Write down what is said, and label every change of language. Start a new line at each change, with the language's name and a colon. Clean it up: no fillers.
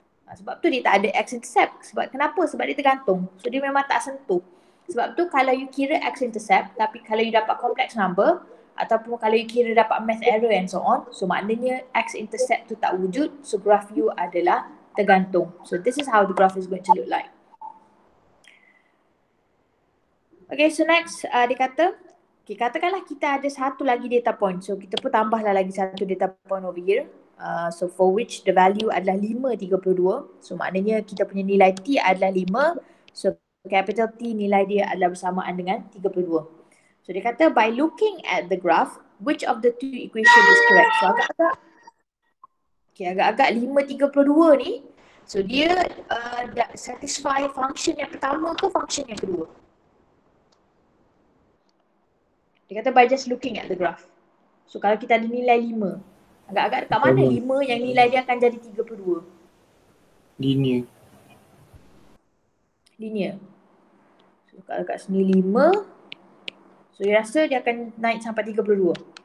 Malay: Sebab tu dia tak ada x-intercept. Sebab kenapa? Sebab dia tergantung. So dia memang tak sentuh. Sebab tu kalau you kira x-intercept, tapi kalau you dapat complex number ataupun kalau you kira dapat math error and so on, so maknanya x-intercept tu tak wujud. So graf you adalah tergantung.
English: So this is how the graph is going to look like.
Malay: Okay, so next dia kata, okay, katakanlah kita ada satu lagi data point. So kita pun tambahlah lagi satu data point over here. So for which the value adalah 5.32. So maknanya kita punya nilai T adalah 5. So capital T nilai dia adalah bersamaan dengan 32.
English: So dia kata by looking at the graph, which of the two equation is correct?
Malay: So agak-agak, okay, agak-agak 5.32 ni. So dia satisfy function yang pertama ke function yang kedua? Dia kata by just looking at the graph. So kalau kita ada nilai 5, agak-agak dekat mana 5 yang nilai dia akan jadi 32?
English: Linear.
Malay: Linear. So kalau dekat sini 5, so you rasa dia akan naik sampai 32.